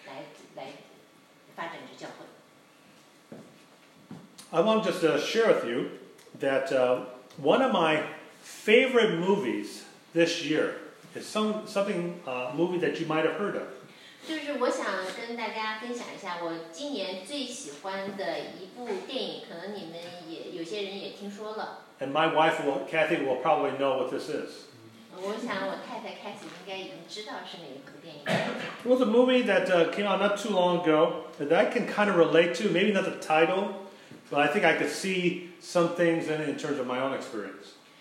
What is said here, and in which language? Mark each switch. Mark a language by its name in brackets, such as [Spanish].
[Chinese] 就是请大家继续为我们祷告。所以我们呢，目前所在的状态就是说，每一周我们会有一次聚在一起的祷告会。我们也希望呢，有更多的同工能够加入，成为我们这一个就是核心集团，来发展这教会。 [English] I want to just share with you that one of my favorite movies this year is something movie that you might have heard of. [Chinese] 就是我想跟大家分享一下我今年最喜欢的一部电影，可能你们也有些人也听说了。 [English] And my wife, Kathy, will probably know what this is. [Chinese] 我想我太太 Kathy 应该已经知道是哪一部电影。 [English] It was a movie that came out not too long ago that I can kind of relate to, maybe not the title, but I think I could see some things in terms of my own experience.